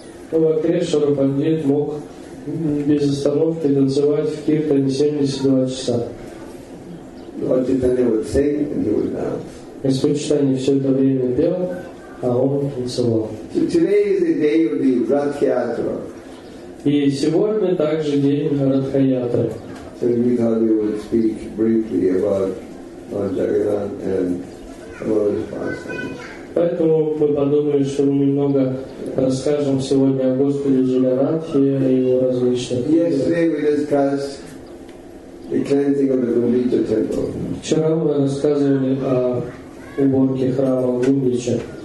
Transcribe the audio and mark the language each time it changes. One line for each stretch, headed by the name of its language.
Russian: Ракешвара Пандит мог без остановки танцевать в киртане 72 часа. Господь Чайтанья все это время пел, а он танцевал.
English: So today is the day of the Ратхиатра.
Russian: И сегодня также день Ратхиатра.
English: So we thought we would speak briefly about Lord Jagannath and about his pastimes.
Russian: Поэтому мы подумали, что мы немного расскажем сегодня о Господе Джаганнатхе и его различных. Вчера мы рассказывали о уборке храма Гумбича.